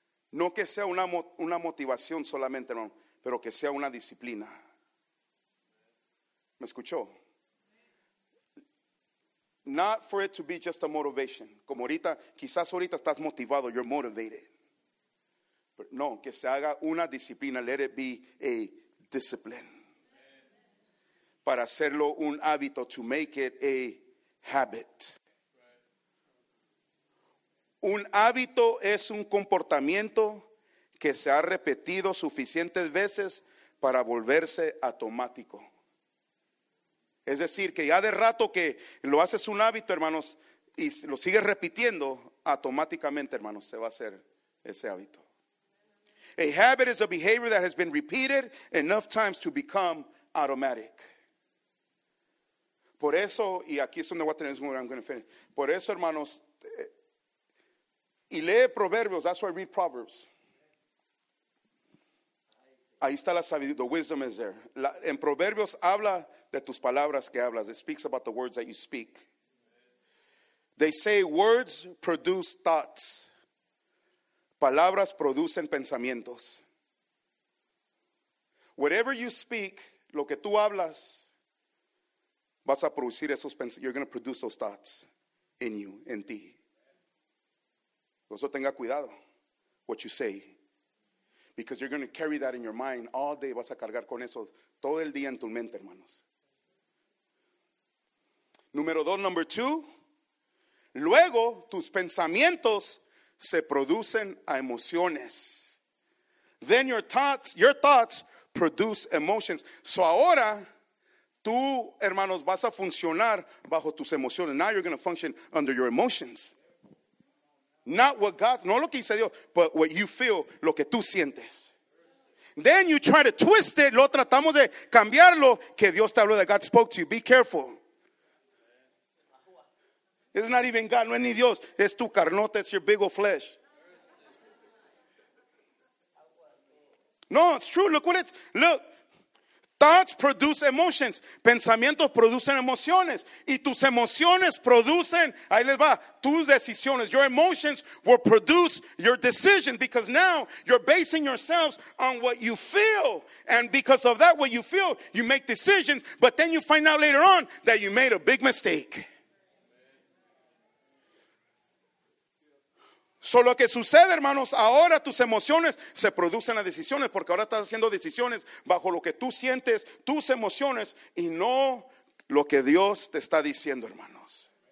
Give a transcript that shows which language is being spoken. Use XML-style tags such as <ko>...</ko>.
<es>No que sea una motivación solamente, hermano, pero que sea una disciplina. ¿Me escuchó?</es> <en>Not for it to be just a motivation.</en> <es>Como ahorita, quizás ahorita estás motivado,</es> <en>you're motivated.</en> <es>But no, que se haga una disciplina,</es> <en>let it be a discipline.</en> <es>Para hacerlo un hábito,</es> <en>to make it a habit.</en> <es>Un hábito es un comportamiento que se ha repetido suficientes veces para volverse automático. Es decir, que ya de rato que lo haces un hábito, hermanos, y lo sigues repitiendo, automáticamente, hermanos, se va a hacer ese hábito.</es> <en>A habit is a behavior that has been repeated enough times to become automatic.</en> <es>Por eso, y aquí es donde voy a tener,</es> <en>I'm going to finish.</en> <es>Por eso, hermanos, y lee Proverbios,</es> <en>that's why I read Proverbs.</en> <es>Ahí está la sabiduría,</es> <en>the wisdom is there.</en> <es>En Proverbios habla de tus palabras que hablas.</es> <en>It speaks about the words that you speak. They say words produce thoughts.</en> <es>Palabras producen pensamientos.</es> <en>Whatever you speak,</en> <es>lo que tú hablas, vas a producir esos pensamientos.</es> <en>You're going to produce those thoughts in you,</en> <es>en ti. Eso tenga cuidado,</es> <en>what you say, because you're going to carry that in your mind all day.</en> <es>Vas a cargar con eso todo el día en tu mente, hermanos. Número dos,</es> <en>number two.</en> <es>Luego, tus pensamientos se producen a emociones.</es> <en>Then your thoughts produce emotions.</en> <es>So ahora, tú, hermanos, vas a funcionar bajo tus emociones.</es> <en>Now you're going to function under your emotions. Not what God,</en> <es>no lo que dice Dios,</es> <en>but what you feel,</en> <es>lo que tú sientes.</es> <en>Then you try to twist it,</en> <es>lo tratamos de cambiarlo, que Dios te habló,</es> <en>that God spoke to you. Be careful. It's not even God,</en> <es>no es ni Dios, es tu carnota,</es> <en>it's your big old flesh. No, it's true, look what it's, look. Thoughts produce emotions.</en> <es>Pensamientos producen emociones. Y tus emociones producen, ahí les va, tus decisiones.</es> <en>Your emotions will produce your decision. Because now you're basing yourselves on what you feel. And because of that, what you feel, you make decisions. But then you find out later on that you made a big mistake.</en> <es>So lo que sucede, hermanos, ahora tus emociones se producen las decisiones, porque ahora estás haciendo decisiones bajo lo que tú sientes, tus emociones, y no lo que Dios te está diciendo, hermanos.</es>